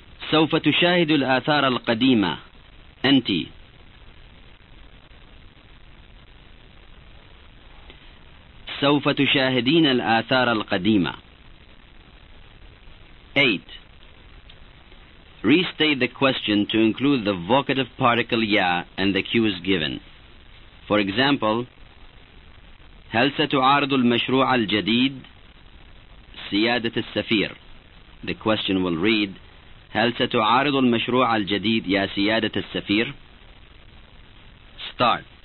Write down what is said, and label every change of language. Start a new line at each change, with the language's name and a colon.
Arabic: سوف تشاهد الآثار القديمة. أنت. سوف سوف تشاهدين الآثار القديمة. 8.
English: Restate the question to include the vocative particle ya and the cues given. For example,
Arabic: هل ستعارض المشروع الجديد سيادة السفير؟
English: The question will read,
Arabic: هل ستعارض المشروع الجديد يا سيادة السفير؟
English: Start.